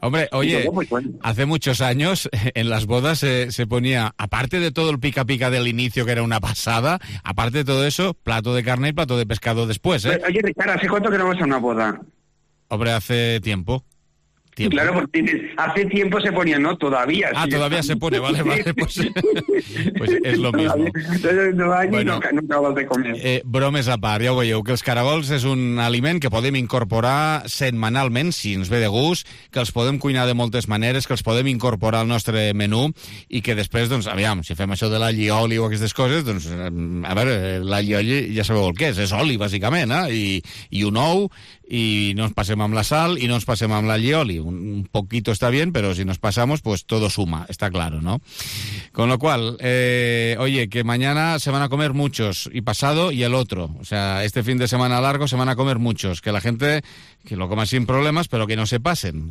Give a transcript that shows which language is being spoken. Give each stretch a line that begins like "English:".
Spanish: Hombre, oye, luego, pues, bueno. Hace muchos años en las bodas se ponía, aparte de todo el pica-pica del inicio, que era una pasada, aparte de todo eso, plato de carne y plato de pescado después, ¿eh? Pero, oye, Ricardo, ¿hace cuánto que no vas a una boda? Hombre, hace tiempo. ¿Tiempo? Claro, hace tiempo se ponía, ¿no? Todavía. Ah, si todavía está... se pone, vale, pues es lo mismo. Entonces no hay bueno, ni no acabas de comer.
Catalan: Bromes a part, ja ho veieu, que els caragols és un aliment que podem incorporar setmanalment, si ens ve de gust, que els podem cuinar de moltes maneres, que els podem incorporar al nostre menú i que després, doncs, aviam, si fem això de l'alli oli o aquestes coses, doncs, a veure, l'alli oli ja sabeu el que és oli, bàsicament, eh? I un ou...
Spanish: Y nos pasemos la sal y nos pasemos la lioli. Un poquito está bien, pero si nos pasamos, pues todo suma, está claro, ¿no? Con lo cual, oye, que mañana se van a comer muchos, y pasado y el otro. O sea, este fin de semana largo se van a comer muchos. Que la gente que lo coma sin problemas, pero que no se pasen.